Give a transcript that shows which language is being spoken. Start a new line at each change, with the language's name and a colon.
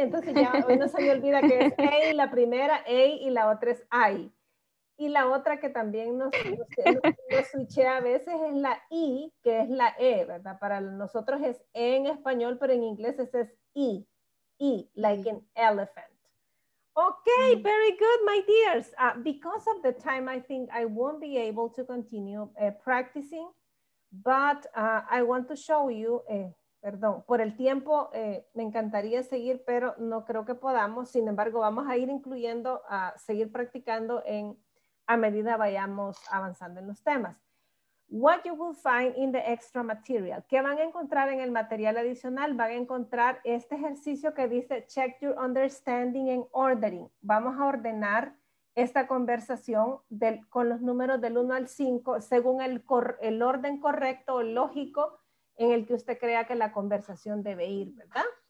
Spanish: Entonces ya hoy no se me olvida que es A, la primera A, y la otra es I. Y la otra que también nos switché a veces es la I, que es la E, ¿verdad? Para nosotros es E en español, pero en inglés ese es E.
English: E, like an elephant. Ok, very good, my dears. Because of the time, I think I won't be able to continue practicing. But I want to show you,
Spanish: perdón, por el tiempo me encantaría seguir, pero no creo que podamos. Sin embargo, vamos a ir incluyendo, a seguir practicando en, a medida vayamos avanzando en los temas.
English: What you will find in the extra material.
Spanish: ¿Qué van a encontrar en el material adicional? Van a encontrar este ejercicio que dice
English: check your understanding and ordering.
Spanish: Vamos a ordenar esta conversación con los números del 1 al 5 según el orden correcto o lógico en el que usted crea que la conversación debe ir, ¿verdad?